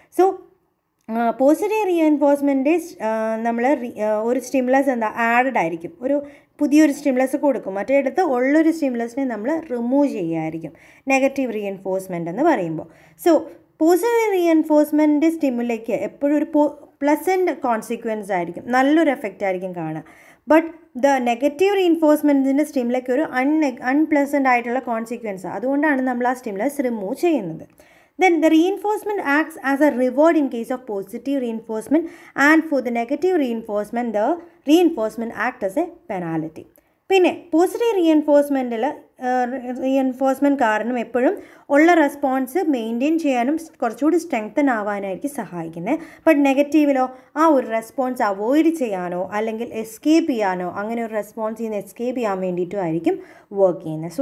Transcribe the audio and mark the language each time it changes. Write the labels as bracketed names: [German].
[Malayalam] So positive reinforcement നമ്മൾ ഒരു stimulus എന്താ ആഡഡ് ആയിരിക്കും, ഒരു പുതിയൊരു സ്റ്റിമുലസ് കൊടുക്കും, മറ്റേടത്ത് ഉള്ളൊരു സ്റ്റിമുലസിനെ നമ്മൾ റിമൂവ് ചെയ്യുമായിരിക്കും നെഗറ്റീവ് റീഇൻഫോഴ്സ്മെൻ്റ് എന്ന് പറയുമ്പോൾ. സോ പോസിറ്റീവ് റീഇൻഫോഴ്സ്മെൻ്റ് സ്റ്റിമുലേക്ക് എപ്പോഴും ഒരു പ്ലസൻ്റ് കോൺസിക്വൻസ് ആയിരിക്കും, നല്ലൊരു എഫക്റ്റ് ആയിരിക്കും കാണുക. ബട്ട് ദ നെഗറ്റീവ് റീഇൻഫോഴ്സ്മെൻറ്റിൻ്റെ സ്റ്റിമുലേക്ക് ഒരു അൺപ്ലസൻ്റ് ആയിട്ടുള്ള കോൺസിക്വൻസ്, അതുകൊണ്ടാണ് നമ്മൾ ആ സ്റ്റിമുലസ് റിമൂവ് ചെയ്യുന്നത്. [English] Then the reinforcement acts as a reward in case of positive reinforcement, and for the negative reinforcement the reinforcement acts as a penalty. [Malayalam] പിന്നെ positive റീഇൻഫോഴ്സ്മെൻറ്റിൽ reinforcement കാരണം എപ്പോഴും ഉള്ള റെസ്പോൺസ് മെയിൻറ്റെയിൻ ചെയ്യാനും കുറച്ചുകൂടി സ്ട്രെങ്തൻ ആവാനായിരിക്കും സഹായിക്കുന്നത്. ബട്ട് നെഗറ്റീവിലോ ആ ഒരു റെസ്പോൺസ് അവോയ്ഡ് ചെയ്യാനോ അല്ലെങ്കിൽ എസ്കേപ്പ് ചെയ്യാനോ, അങ്ങനെ ഒരു റെസ്പോൺസിൽ നിന്ന് എസ്കേപ്പ് ചെയ്യാൻ വേണ്ടിയിട്ടും ആയിരിക്കും വർക്ക് ചെയ്യുന്നത്.